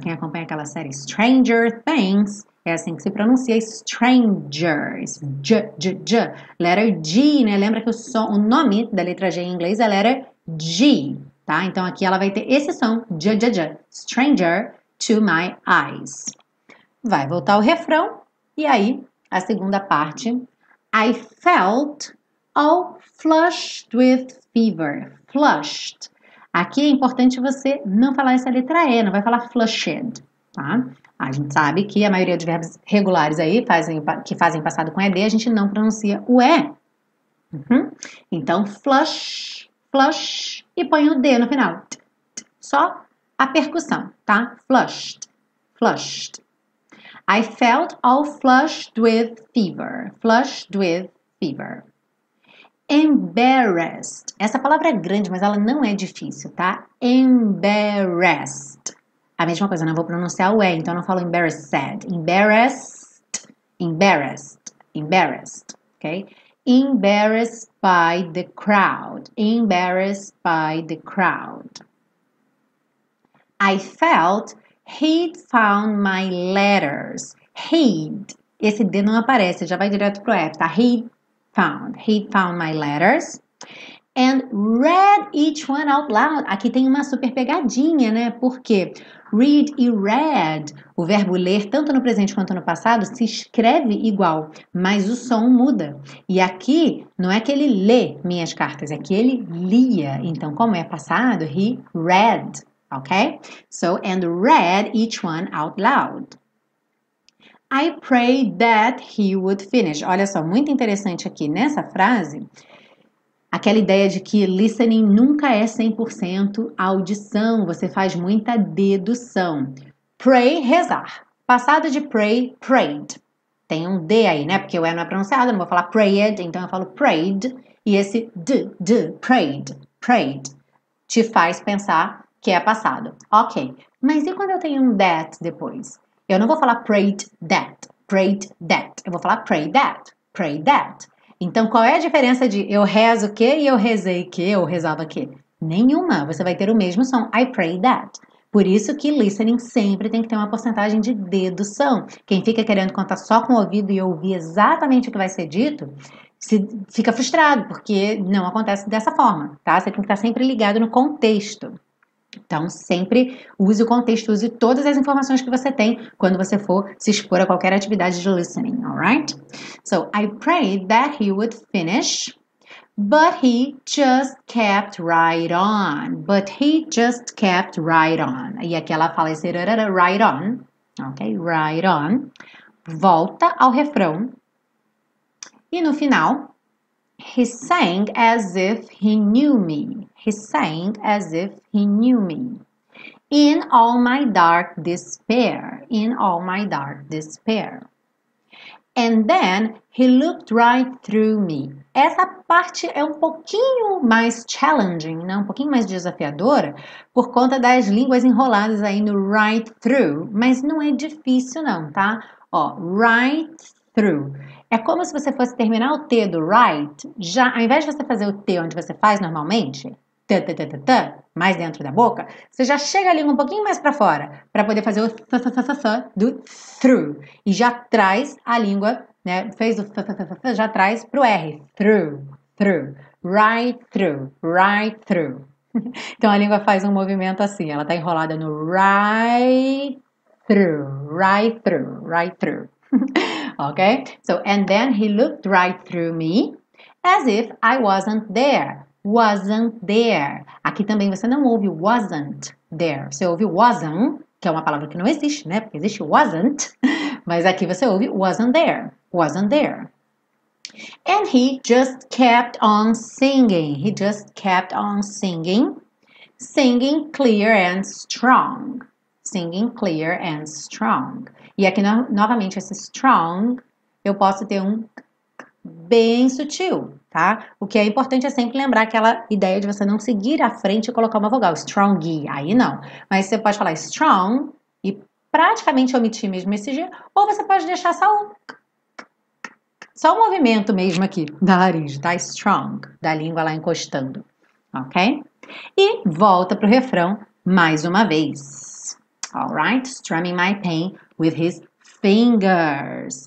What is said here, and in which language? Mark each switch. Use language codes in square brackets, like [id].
[pt] Quem acompanha aquela série Stranger Things? É assim que se pronuncia, strangers. J. Letter G, né? Lembra que o nome da letra G em inglês é letter G, tá? Então aqui ela vai ter esse som, J. [en] Stranger to my eyes. [pt] Vai voltar o refrão e aí a segunda parte. [en] I felt all flushed with fever. Flushed. [pt] Aqui é importante você não falar essa letra E, não vai falar flushed, tá? A gente sabe que a maioria dos verbos regulares aí que fazem passado com ED, a gente não pronuncia o E. Então, flush, flush, e põe o D no final. Só a percussão, tá? Flushed, flushed. [en] I felt all flushed with fever. Flushed with fever. Embarrassed. [pt] Essa palavra é grande, mas ela não é difícil, tá? Embarrassed. A mesma coisa, não vou pronunciar o E, então não falo embarrassed. [en] Embarrassed, embarrassed, embarrassed, ok? Embarrassed by the crowd. Embarrassed by the crowd. I felt he'd found my letters. He'd. [pt] Esse D não aparece, já vai direto pro F, tá? He'd found my letters. [en] And read each one out loud. [pt] Aqui tem uma super pegadinha, né? Porque read e read, o verbo ler, tanto no presente quanto no passado, se escreve igual, mas o som muda. E aqui não é que ele lê minhas cartas, é que ele lia. Então, como é passado, he read, ok? [en] So, and read each one out loud. I prayed that he would finish. [pt] Olha só, muito interessante aqui nessa frase. Aquela ideia de que listening nunca é 100% audição, você faz muita dedução. Pray, rezar. Passado de pray, prayed. Tem um D aí, né? Porque o E não é pronunciado, não vou falar prayed, então eu falo prayed. E esse D, prayed, prayed, te faz pensar que é passado. Ok, mas e quando eu tenho um that depois? Eu não vou falar prayed that, eu vou falar pray that. Então, qual é a diferença de eu rezo o quê e eu rezei o quê, ou rezava o quê? Nenhuma. Você vai ter o mesmo som. [en] I pray that. [pt] Por isso que listening sempre tem que ter uma porcentagem de dedução. Quem fica querendo contar só com o ouvido e ouvir exatamente o que vai ser dito, fica frustrado, porque não acontece dessa forma, tá? Você tem que estar sempre ligado no contexto. Então, sempre use o contexto, use todas as informações que você tem quando você for se expor a qualquer atividade de listening, alright? [en] So, I prayed that he would finish, but he just kept right on. But he just kept right on. [pt] E aqui ela fala esse rarara, [en] right on, ok? Right on. [pt] Volta ao refrão. E no final, [en] he sang as if he knew me. He sang as if he knew me. In all my dark despair. In all my dark despair. And then he looked right through me. [pt] Essa parte é um pouquinho mais challenging, né? Um pouquinho mais desafiadora, por conta das línguas enroladas aí no right through. Mas não é difícil, não, tá? Ó, right through. É como se você fosse terminar o T do right, já, ao invés de você fazer o T onde você faz normalmente. Mais dentro da boca, você já chega a língua um pouquinho mais para fora, para poder fazer o th do through. E já traz a língua, né? Fez o th, já traz para o R. Through, through, right through, right through. Então a língua faz um movimento assim, ela tá enrolada no right through, right through, right through. [en] Okay? So, and then he looked right through me as if I wasn't there. Wasn't there. [pt] Aqui também você não ouve wasn't there. Você ouve wasn't, que é uma palavra que não existe, né? Porque existe wasn't. Mas aqui você ouve wasn't there. Wasn't there. [en] And he just kept on singing. He just kept on singing. Singing clear and strong. Singing clear and strong. [pt] E aqui, novamente, esse strong, eu posso ter um bem sutil, tá? O que é importante é sempre lembrar aquela ideia de você não seguir à frente e colocar uma vogal. Strong, aí não. Mas você pode falar strong e praticamente omitir mesmo esse G. Ou você pode deixar só um... Só o movimento mesmo aqui da laringe, tá? Strong, da língua lá encostando, ok? E volta pro refrão mais uma vez. [en] Alright? Strumming my pain with his fingers.